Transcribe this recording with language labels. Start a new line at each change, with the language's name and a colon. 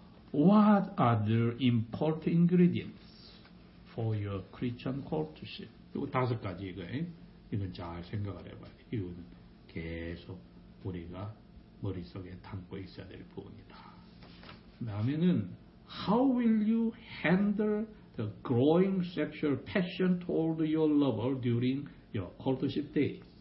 English: What are the important ingredients for your Christian courtship?
Korean: 이거 다섯 가지 이거예요. 이건 잘 생각을 해봐야 돼요. 이거는 계속 우리가 머릿속에 담고 있어야 될 부분이다. 그 다음에는
English: How will you handle the growing sexual passion toward your lover during your courtship days?